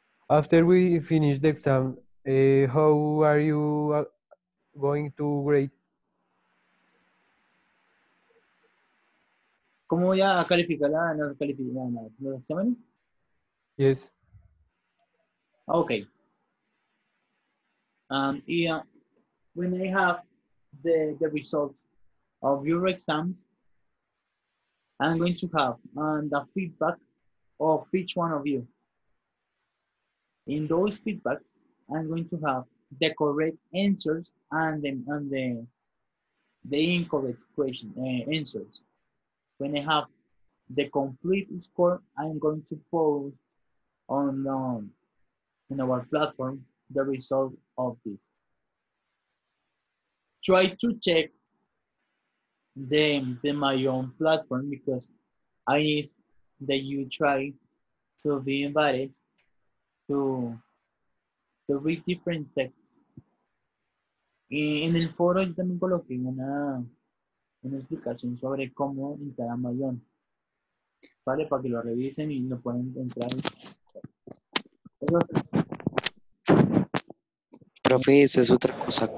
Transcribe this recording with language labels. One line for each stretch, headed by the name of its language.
English: After we finish the exam, how are you going to grade?
Spanish: ¿Cómo voy a calificar la no calificar nada más? ¿Los exámenes?
English: Yes. Okay. When I have the results of your exams, I'm going to have the feedback of each one of you. In those feedbacks, I'm going to have the correct answers and the incorrect question answers. When I have the complete score, I'm going to post on our platform the result of this. Try to check the my own platform because I need that you try to be invited to read different texts.
Spanish: Y en el foro yo también coloqué una explicación sobre cómo entrar a Mayón. ¿Vale? Para que lo revisen y lo puedan entrar. Profe, esa es otra cosa.